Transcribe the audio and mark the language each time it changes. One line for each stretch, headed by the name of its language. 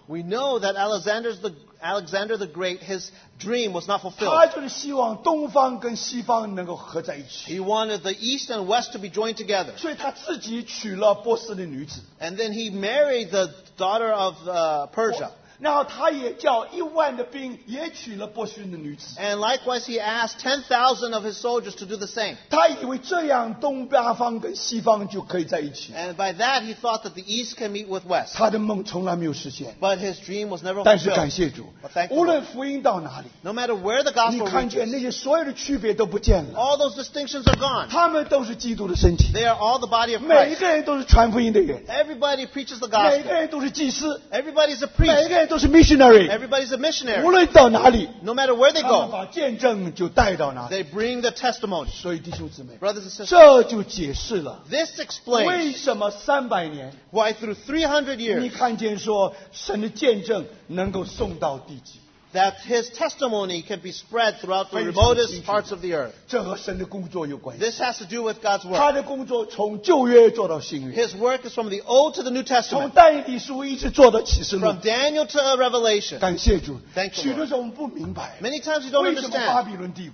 English: We know that Alexander the Great, his dream was not fulfilled.
Chinese: 他就是希望东方跟西方能够合在一起。
English: He wanted the East and West to be joined together.
Chinese: 所以他自己娶了波斯的女子。
English: And then he married the daughter of Persia.
Chinese: 然后他也叫一万的兵也娶了波斯的女子。
English: And likewise he asked 10,000 of his soldiers to do the same.
Chinese: 他以为这样东方跟西方就可以在一起。
English: And by that he thought that the East can meet with West.
Chinese: 他的梦从来没有实现。
English: But his dream was never fulfilled.
Chinese: 但是感谢主,
English: but thank you.
Chinese: 无论福音到哪里,
English: no matter where the gospel reaches,
Chinese: 你看见那些所有的区别都不见了。
English: All those distinctions are gone.
Chinese: 他们都是基督的身体。
English: They are all the body of Christ.
Chinese: 每一个人都是传福音的人。
English: Everybody preaches the gospel.
Chinese: 每一个人都是祭司。
English: Everybody is a priest.
Chinese: 每一个人都是missionary,
English: everybody's a missionary.
Chinese: 无论到哪里,
English: no matter where they go,
Chinese: 他们把见证就带到哪里,
English: they bring the testimony.
Chinese: 所以弟兄姊妹,
English: brothers and sisters,
Chinese: 这就解释了,
English: this explains
Chinese: 为什么300年,
English: why through 300 years
Chinese: 你看见说神的见证能够送到地极,
English: that his testimony can be spread throughout the remotest parts of the earth. This has to do with God's work. His work is from the Old to the New Testament. From Daniel to Revelation.
Chinese: 感谢主,
English: thank you, Lord. Many times we don't understand